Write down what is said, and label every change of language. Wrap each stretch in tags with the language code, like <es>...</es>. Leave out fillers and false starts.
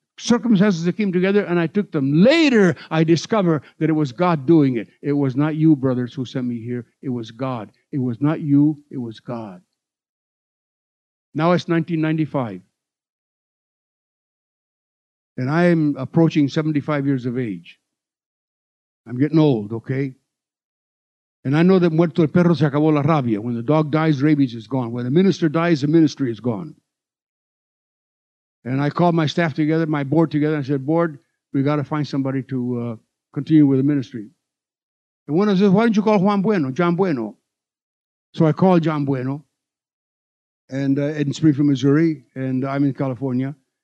<en>Circumstances that came together, and I took them. Later, I discover that it was God doing it. It was not you, brothers, who sent me here. It was God. It was not you. It was God. Now it's 1995. And I am approaching 75 years of age. I'm getting old, okay? And I know that</en> <es>muerto el perro se acabó la rabia.</es> <en>When the dog dies, rabies is gone. When the minister dies, the ministry is gone. And I called my staff together, my board together, and I said, board, we got to find somebody to continue with the ministry. And one of them said, why don't you call Juan Bueno, John Bueno? So I called John Bueno in Springfield, Missouri, and I'm in California.</en>